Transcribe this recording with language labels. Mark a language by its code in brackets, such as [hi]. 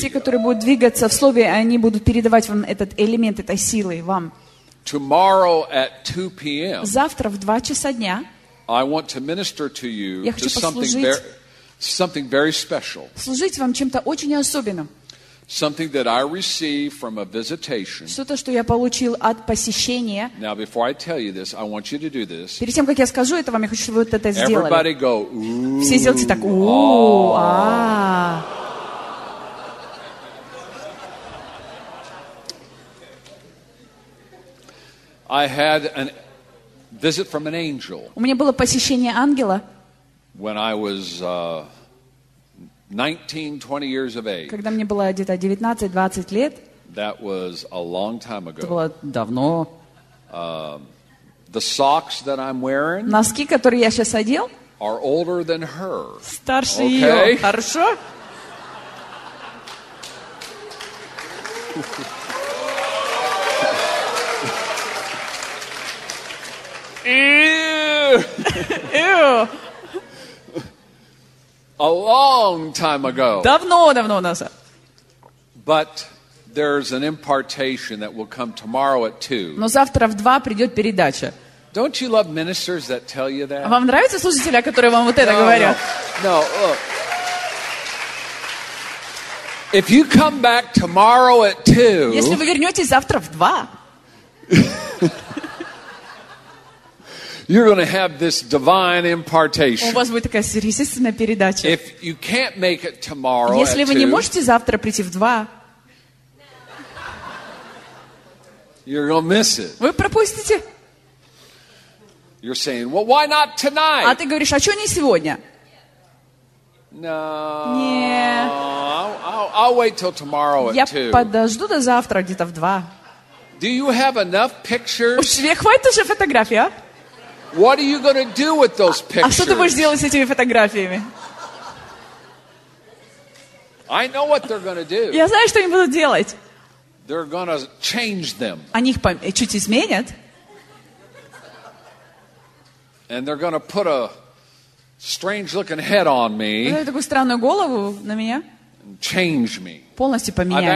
[ru] Все, которые будут двигаться в слове, они будут передавать вам этот элемент этой силы вам. [en] Tomorrow at 2 p.m. [ru] Завтра в 2 часа дня. [en] I want to minister to you to something very special. [ru] Служить вам чем-то очень особенным. [en] Something that I received from a visitation. [ru] Что-то, что я получил от посещения. [en] Now, before I tell you this, I want you to do this. [ru] Перед тем, как я скажу это вам, я хочу, чтобы вы это сделали. [en] Everybody go, ooh. [ru] Все сделайте так, ooh, ah. [en] I had a visit from an angel. [ru] У меня было посещение ангела. [en] When I was 19-20 years of age. [ru] Когда мне было где-то 19-20 лет. [en] That was a long time ago. [ru] Это было давно. [en] The socks that I'm wearing. [ru] Носки, которые я сейчас одел. [en] Are older than her. [ru] Старше okay. ее. Хорошо. Ew. [en] A long time ago. [ru] Давно, давно назад. [en] But there's an impartation that will come tomorrow at 2. [ru] Но завтра в 2 придет передача. [en] Don't you love ministers that tell you that? [ru] Вам нравятся служители, которые вам вот это говорят? [en] No, look. If you come back tomorrow at 2. [ru] Если вы вернетесь завтра в 2. [en] You're going to have this divine impartation. [ru] У вас будет такая сверхъестественная передача. [en] If you can't make it tomorrow, [ru] если вы не можете завтра прийти в 2, [en] you're going to miss it. [ru] Вы пропустите. [en] You're saying, well, why not tonight? [ru] А ты говоришь, а что не сегодня? [en] No. [ru] Нет. [en] I'll wait till tomorrow at 2. [ru] Я подожду до завтра где-то в 2. [en] Do you have enough pictures? [ru] У тебя хватит уже фотографий, а? [en] What are you going to do with those pictures? [ru] А что ты будешь делать с этими фотографиями? [en] I know what they're going to do. [ru] Я знаю, что они будут делать. [en] They're going to change them. [ru] Они их чуть изменят. [en] And they're going to put a strange-looking head on me. [ru] Такую странную голову на меня. [en] Change me. [ru] Полностью поменять меня.